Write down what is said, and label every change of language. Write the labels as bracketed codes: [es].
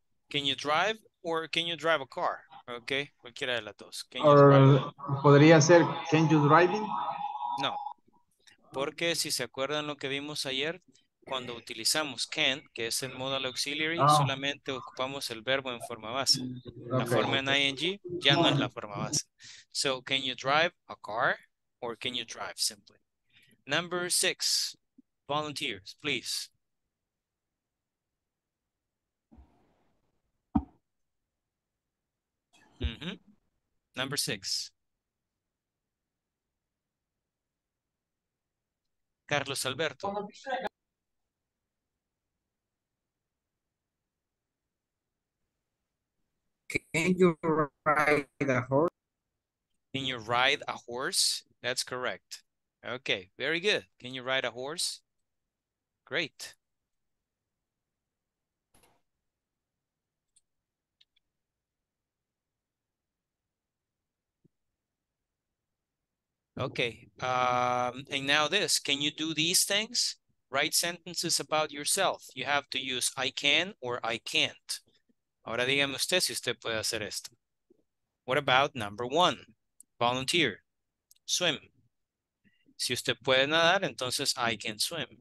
[en] Can you drive or can you drive a car? [es] Okay, cualquiera de las dos. [en] Can you drive? [es] Podría ser, [en] can you driving? [es] No, porque si se acuerdan lo que vimos ayer, cuando utilizamos can, que es el modal auxiliary, solamente ocupamos el verbo en forma base. Okay. La forma en ing ya no es la forma base. [en] So, can you drive a car or can you drive simply? Number six, volunteers, please. Mm-hmm. Number six. Carlos Alberto. Can you ride a horse? Can you ride a horse? That's correct. Okay, very good. Can you ride a horse? Great. Okay, and now this, can you do these things? Write sentences about yourself. You have to use I can or I can't. [es] Ahora dígame usted si usted puede hacer esto. [en] What about number one? Volunteer, swim. [es] Si usted puede nadar, entonces [en] I can swim.